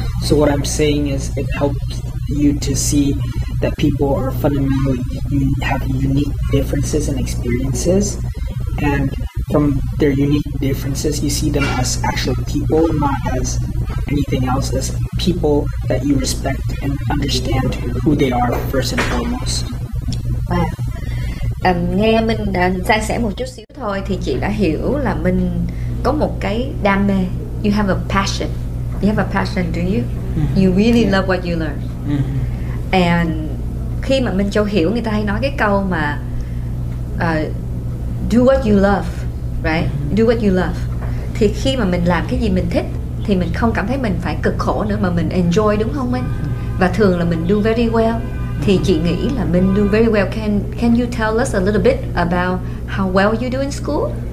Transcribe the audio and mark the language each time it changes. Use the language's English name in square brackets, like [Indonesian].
[English] So what I'm saying is it helps you to see that people are fundamentally have unique differences and experiences, and from their unique differences you see them as actual people, not as anything else, as people that you respect and understand who they are first and foremost. [Vietnamese] Nghe mình san sẻ một chút xíu thôi thì chị đã hiểu là mình có một cái đam mê. [English] You have a passion, do you? Mm-hmm. You really love what you learn. Mm-hmm. [Vietnamese] And khi mà mình cho hiểu, người ta hay nói cái câu mà [English] do what you love, right? [Vietnamese] Mm-hmm. [English] Do what you love. [Vietnamese] Thì khi mà mình làm cái gì mình thích thì mình không cảm thấy mình phải cực khổ nữa, mà mình enjoy, đúng không anh? Và thường là mình [English] do very well. [Vietnamese] Thì chị nghĩ là mình do very well. [English] Can you tell us a little bit about how well you do in school?